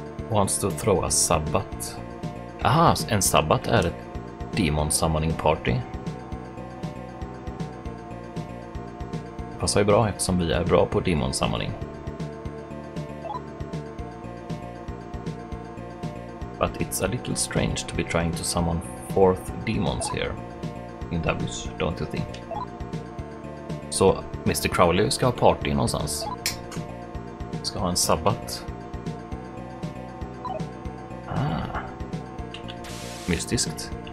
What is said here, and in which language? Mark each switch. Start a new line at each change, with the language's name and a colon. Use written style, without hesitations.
English: Wants to throw a sabbat.
Swedish: Aha, en sabbat är ett demon summoning party. Det passar ju bra eftersom vi är bra på demon summoning.
English: But it's a little strange to be trying to summon fourth demons here in Davos, don't you think?
Swedish: Så Mr. Crowley ska ha party någonstans. Ska ha en sabbat. Mystiskt.